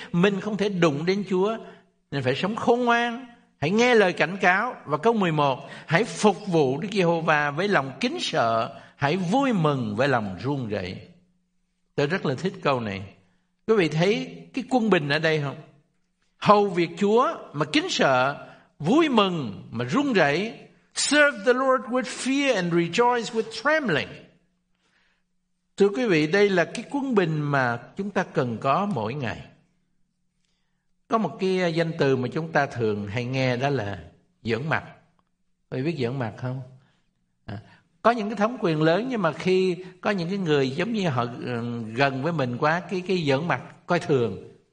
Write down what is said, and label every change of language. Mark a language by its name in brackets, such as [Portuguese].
[Vietnamese] Mình không thể đụng đến Chúa, nên phải sống khôn ngoan. Hãy nghe lời cảnh cáo. Và câu 11, hãy phục vụ Đức Giê-hô-va với lòng kính sợ, hãy vui mừng với lòng run rẩy. Tôi rất là thích câu này. Quý vị thấy cái quân bình ở đây không? Hầu việc Chúa mà kính sợ, vui mừng mà run rẩy. [English] Serve the Lord with fear and rejoice with trembling. [Vietnamese] Thưa quý vị, đây là cái quân bình mà chúng ta cần có mỗi ngày. Có một cái danh từ mà chúng ta thường hay nghe đó là giỡn mặt. Quý vị biết giỡn mặt không? Có những cái thống quyền lớn, nhưng mà khi có những cái người giống như họ gần với mình quá, cái giỡn mặt coi thường.